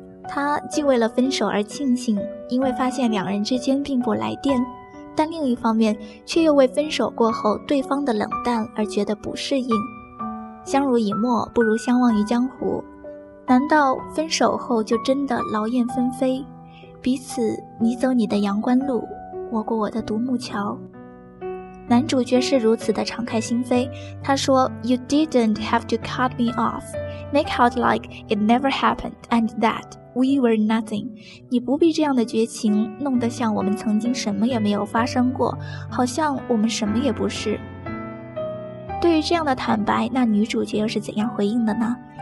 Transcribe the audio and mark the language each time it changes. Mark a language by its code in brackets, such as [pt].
[zh] 他既为了分手而庆幸，因为发现两人之间并不来电，但另一方面却又为分手过后对方的冷淡而觉得不适应。相濡以沫不如相忘于江湖，难道分手后就真的劳燕分飞，彼此你走你的阳关路，我过我的独木桥？男主角是如此的敞开心扉，他说 [en] You didn't have to cut me off, make out like it never happened and that we were nothing. [zh] 你不必这样的绝情，弄得像我们曾经什么也没有发生过，好像我们什么也不是。对于这样的坦白，那女主角又是怎样回应的呢？